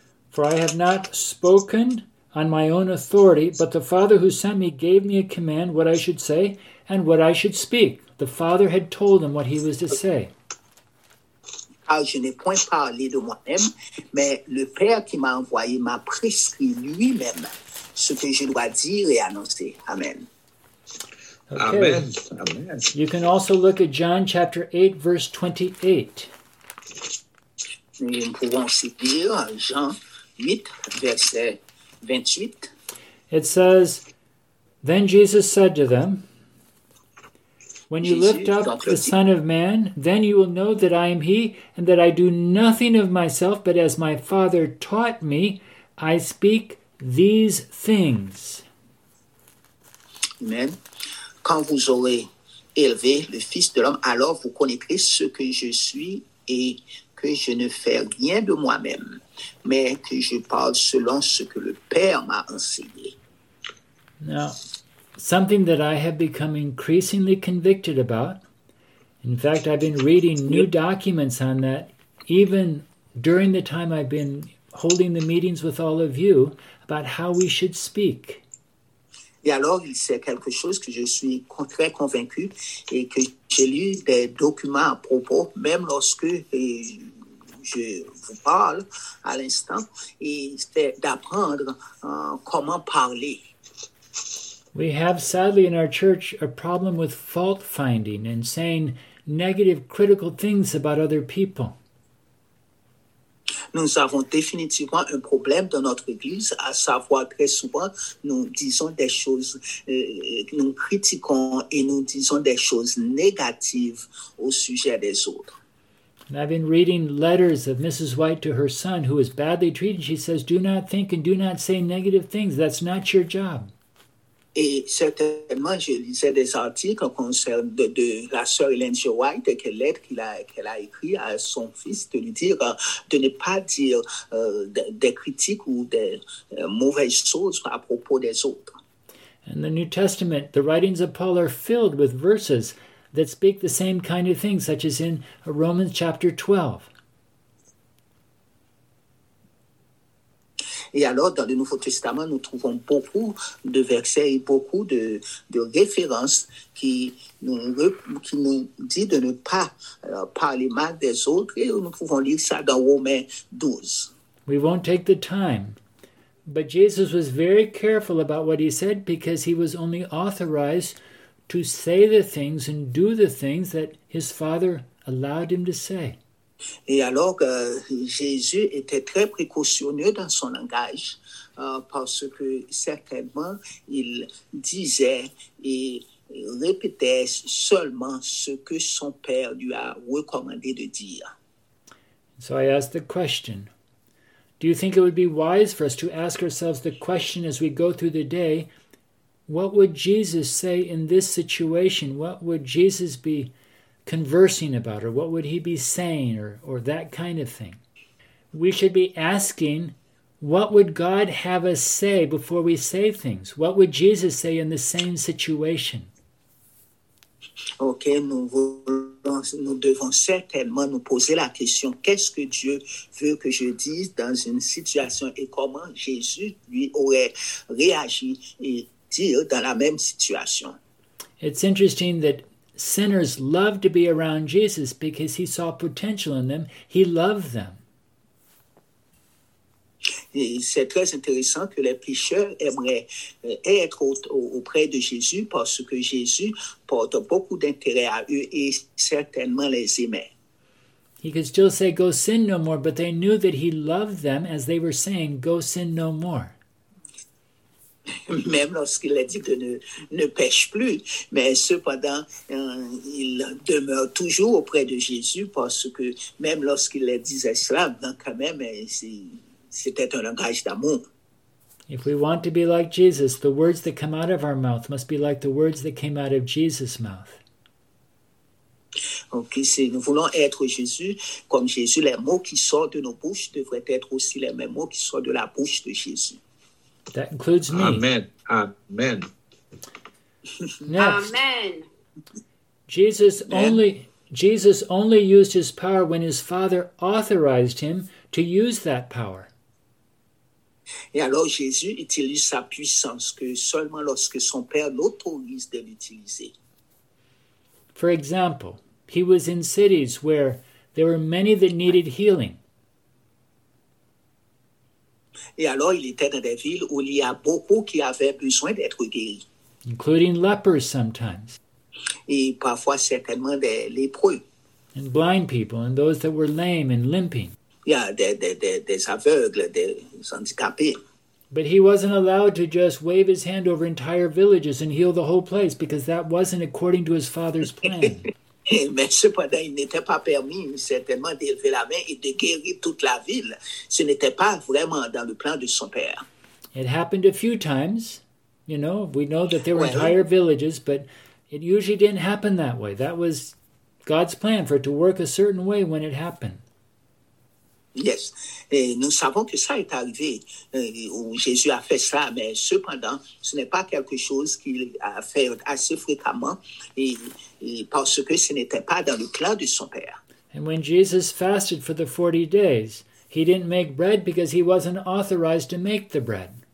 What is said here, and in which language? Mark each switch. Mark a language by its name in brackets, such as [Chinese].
[English] For I have not spoken on my own authority, but the Father who sent me gave me a command what I should say and what I should speak. The Father had told him what he was to say. [French] Car je n'ai point parlé de moi-même, mais le Père qui m'a envoyé m'a prescrit lui-même ce que je dois dire et annoncer. [English] Amen. Okay. Amen. Amen. You can also look at John chapter 8, verse 28. [French] Nous pouvons aussi lire Jean 8, verset 28. [English] It says, Then Jesus said to them, When you lift up the Son of Man, then you will know that I am He, and that I do nothing of myself, but as my Father taught me, I speak these things. Amen. [French] Quand vous aurez élevé le Fils de l'homme, alors vous connaîtrez ce que je suis et que je ne fais rien de moi-même, mais que je parle selon ce que le Père m'a enseigné. [English] Now, something that I have become increasingly convicted about. In fact, I've been reading new documents on that, even during the time I've been holding the meetings with all of you, about how we should speak. [French] Et alors, c'est quelque chose que je suis très convaincu et que j'ai lu des documents à propos, même lorsque je vous parle à l'instant, et c'est d'apprendre comment parler. [English] We have, sadly, in our church, a problem with fault-finding and saying negative, critical things about other people. [French] Nous avons définitivement un problème dans notre église, à savoir très souvent, nous disons des choses, nous critiquons et nous disons des choses négatives au sujet des autres. [English] And I've been reading letters of Mrs. White to her son, who is badly treated. She says, do not think and do not say negative things. That's not your job. [French] Et certainement, je lisais des articles concernant de la sœur Elenge White et quelle lettre qu'elle a écrite à son fils de lui dire de ne pas dire des critiques ou des mauvaises choses à propos des autres. [English] In the New Testament, the writings of Paul are filled with verses that speak the same kind of things, such as in Romans chapter 12. [French] Et alors, dans le Nouveau Testament, nous trouvons beaucoup de versets et beaucoup de références qui nous dit de ne pas parler mal des autres. Et nous pouvons lire ça dans Romains 12. [English] We won't take the time. But Jesus was very careful about what he said because he was only authorized to say the things and do the things that his father allowed him to say. [French] Et alors, Jésus était très précautionneux dans son langage parce que certainement, il disait et répétait seulement ce que son père lui a recommandé de dire. [English] So I ask the question, do you think it would be wise for us to ask ourselves the question as we go through the day, what would Jesus say in this situation? What would Jesus be conversing about, or what would he be saying, or that kind of thing. We should be asking, what would God have us say before we say things? What would Jesus say in the same situation? [French] Ok, nous devons certainement nous poser la question, qu'est-ce que Dieu veut que je dise dans une situation et comment Jésus lui aurait réagi et dire dans la même situation? [English] It's interesting that sinners love to be around Jesus because he saw potential in them. He loved them. [French] C'est très intéressant que les pécheurs aimeraient être auprès de Jésus parce que Jésus porte beaucoup d'intérêt à eux et certainement les aimait. [English] He could still say, go sin no more, but they knew that he loved them as they were saying, go sin no more. [French] même lorsqu'il a dit de ne pêche plus. Mais cependant, il demeure toujours auprès de Jésus parce que même lorsqu'il le disait cela, donc quand même, c'était un langage d'amour. [English] If we want to be like Jesus, the words that come out of our mouth must be like the words that came out of Jesus' mouth. [French] Donc, si nous voulons être Jésus, comme Jésus, les mots qui sortent de nos bouches devraient être aussi les mêmes mots qui sortent de la bouche de Jésus. [English] That includes me. Amen. Amen. Next. Amen. Jesus only used his power when his Father authorized him to use that power. [French] Et alors Jésus utilise sa puissance que seulement lorsque son Père l'autorise de l'utiliser. [English] For example, he was in cities where there were many that needed healing. [French] Et alors il était dans des villes où il y a beaucoup qui avaient besoin d'être guéris. [English] Including lepers sometimes. [French] Et parfois certainement des lépreux. [English] And blind people and those that were lame and limping. [French] Yeah, des aveugles, des handicapés. [English] But he wasn't allowed to just wave his hand over entire villages and heal the whole place because that wasn't according to his Father's plan. [French] Mais cependant, il n'était pas permis certainement d'élever la main et de guérir toute la ville. Ce n'était pas vraiment dans le plan de son père. [English] It happened a few times, you know. We know that there were entire villages, but it usually didn't happen that way. That was God's plan for it to work a certain way when it happened. Yes. [French] Et nous savons que ça est arrivé, où Jésus a fait ça, mais cependant, ce n'est pas quelque chose qu'il a fait assez fréquemment, et parce que ce n'était pas dans le plan de son Père. [English] And when Jesus fasted for the 40 days, he didn't make bread because he wasn't authorized to make the bread.